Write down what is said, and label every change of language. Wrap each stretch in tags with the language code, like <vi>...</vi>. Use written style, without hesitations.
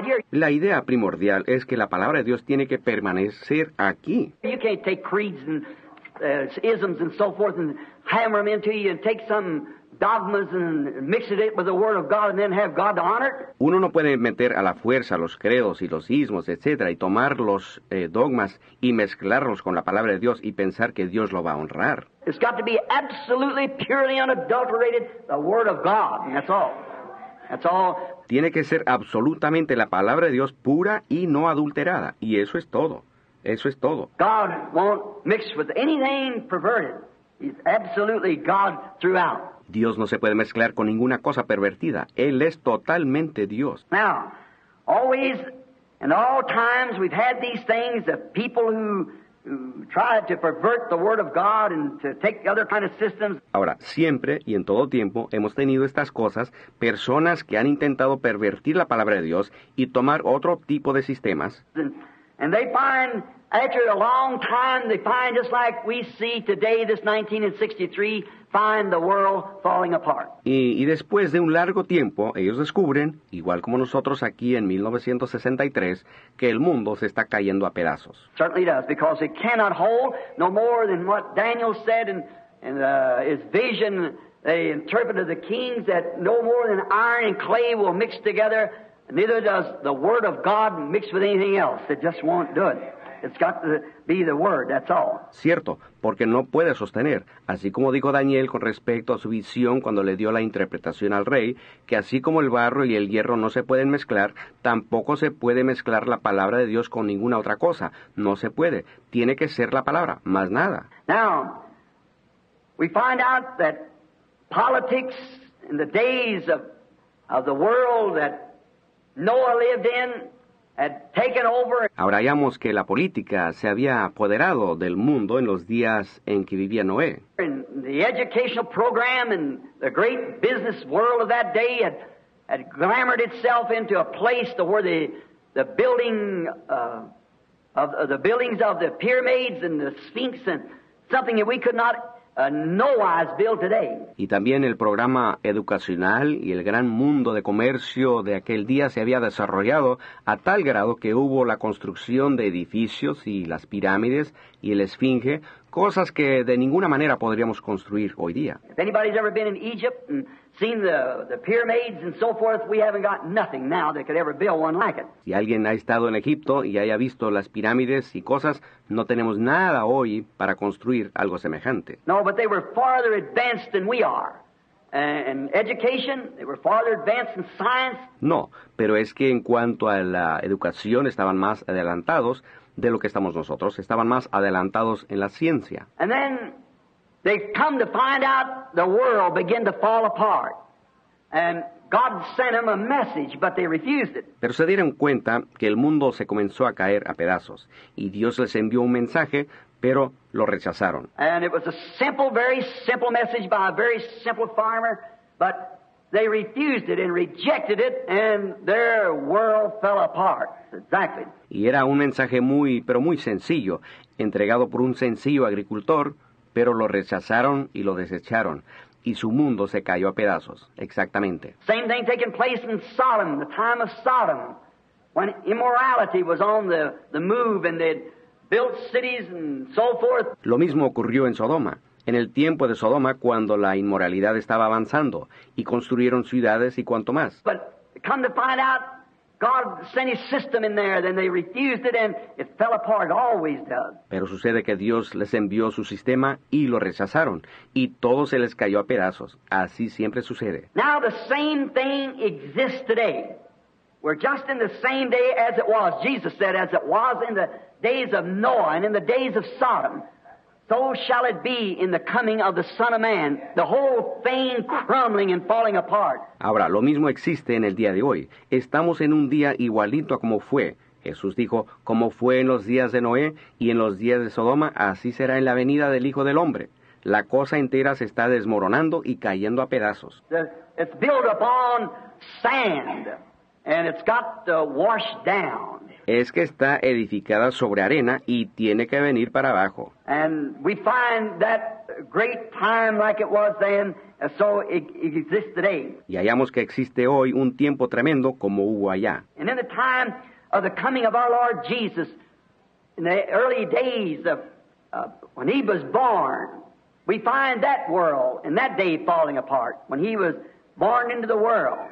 <es>La idea primordial es que la palabra de Dios tiene que permanecer aquí.</es> <en>You can't take creeds and isms and so forth and hammer them into you and take some dogmas and mix it with the word of God and then have God to honor it.</en> <es>Uno no puede meter a la fuerza los credos y los ismos, etcétera, y tomar los dogmas y mezclarlos con la palabra de Dios y pensar que Dios lo va a honrar.</es> <en>It's got to be absolutely purely unadulterated the word of God. And that's all. That's all.</en> <es>Tiene que ser absolutamente la palabra de Dios pura y no adulterada, y eso es todo. Eso es todo.</es> <en>God won't mix with anything perverted. He's absolutely God throughout.</en> <es>Dios no se puede mezclar con ninguna cosa pervertida. Él es totalmente Dios.</es> <en>Now, always, in all times, we've had these things of people who tried to pervert the word of God and to take other kind of systems.</en> <es>Ahora, siempre y en todo tiempo, hemos tenido estas cosas, personas que han intentado pervertir la palabra de Dios y tomar otro tipo de sistemas.</es> <en>And they find, after a long time, they find, just like we see today, this 1963, find the world falling apart.</en> <es>Y después de un largo tiempo, ellos descubren, igual como nosotros aquí en 1963, que el mundo se está cayendo a pedazos.</es> <en>Certainly does, because it cannot hold no more than what Daniel said in his vision. They interpreted the kings that no more than iron and clay will mix together. Neither does the word of God mix with anything else. It just won't do it. It's got to be the word, that's all.</en> <es>Cierto, porque no puede sostener. Así como dijo Daniel con respecto a su visión cuando le dio la interpretación al rey, que así como el barro y el hierro no se pueden mezclar, tampoco se puede mezclar la palabra de Dios con ninguna otra cosa. No se puede. Tiene que ser la palabra, más nada.</es> <en>Now, we find out that politics in the days of the world that Noah lived in had taken over.</en> <es>Ahora hallamos que la política se había apoderado del mundo en los días en que vivía Noé.</es> <en>And the educational program and the great business world of that day had glamored itself into a place where the buildings of the pyramids and the Sphinx and something that we could not Noah's built today.</en> <es>Y también el programa educacional y el gran mundo de comercio de aquel día se había desarrollado a tal grado que hubo la construcción de edificios y las pirámides y el esfinge, cosas que de ninguna manera podríamos construir hoy día.</es> <en>If anybody's ever been in Egypt and seen the pyramids and so forth, we haven't got nothing now that could ever build one like it.</en> <es>Si alguien ha estado en Egipto y haya visto las pirámides y cosas, no tenemos nada hoy para construir algo semejante.</es> <en>No, but they were farther advanced than we are. And education, they were farther advanced in science.</en> <es>No, pero es que en cuanto a la educación estaban más adelantados de lo que estamos nosotros. Estaban más adelantados en la ciencia.</es> <en>And then they come to find out the world began to fall apart. And God sent them a message, but they refused it.</en> <es>Pero se dieron cuenta que el mundo se comenzó a caer a pedazos. Y Dios les envió un mensaje, pero lo rechazaron.</es> <en>And it was a simple, very simple message by a very simple farmer, but they refused it and rejected it, and their world fell apart. Exactly.</en> <es>Y era un mensaje muy, pero muy sencillo, entregado por un sencillo agricultor, pero lo rechazaron y lo desecharon, y su mundo se cayó a pedazos. Exactamente.</es> <en>Same thing taking place in Sodom, the time of Sodom, when immorality was on the move and they built cities and so forth.</en> <es>Lo mismo ocurrió en Sodoma, en el tiempo de Sodoma, cuando la inmoralidad estaba avanzando, y construyeron ciudades y cuanto más.</es> <en>But come to find out, God sent his system in there, then they refused it, and it fell apart. It always does.</en> <es>Pero sucede que Dios les envió su sistema y lo rechazaron, y todo se les cayó a pedazos. Así siempre sucede.</es> <en>Now the same thing exists today. We're just in the same day as it was. Jesus said, as it was in the days of Noah and in the days of Sodom, so shall it be in the coming of the Son of Man, the whole thing crumbling and falling apart.</en> <es>Ahora, lo mismo existe en el día de hoy. Estamos en un día igualito a como fue. Jesús dijo, como fue en los días de Noé y en los días de Sodoma, así será en la venida del Hijo del Hombre. La cosa entera se está desmoronando y cayendo a pedazos.</es> <en>It's built upon sand. And it's got to wash down.</en> <es>Es que está edificada sobre arena y tiene que venir para abajo.</es> <en>And we find that great time like it was then, so it exists today.</en> <es>Y hallamos que existe hoy un tiempo tremendo como hubo allá.</es> <en>And in the time of the coming of our Lord Jesus, in the early days of when he was born, we find that world in that day falling apart, when he was born into the world.</en>